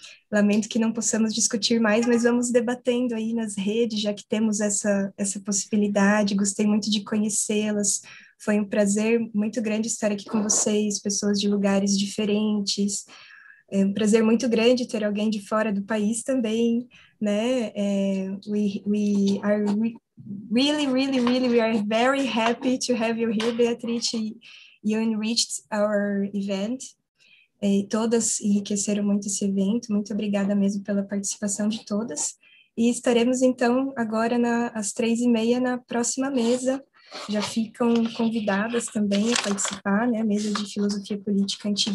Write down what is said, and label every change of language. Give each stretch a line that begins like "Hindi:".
Portuguese: Lamento que não possamos discutir mais, mas vamos debatendo aí nas redes, já que temos essa possibilidade. Gostei muito de conhecê-las, foi um prazer muito grande estar aqui com vocês, pessoas de lugares diferentes. É um prazer muito grande ter alguém de fora do país também, né?
English: We are really, really, really, we are very happy to have you here, Beatriz. You enriched our event.
Portuguese: E todas enriqueceram muito esse evento, muito obrigada mesmo pela participação de todas, e estaremos então agora às 15h30 na próxima mesa, já ficam convidadas também a participar, né, a mesa de filosofia política antiga.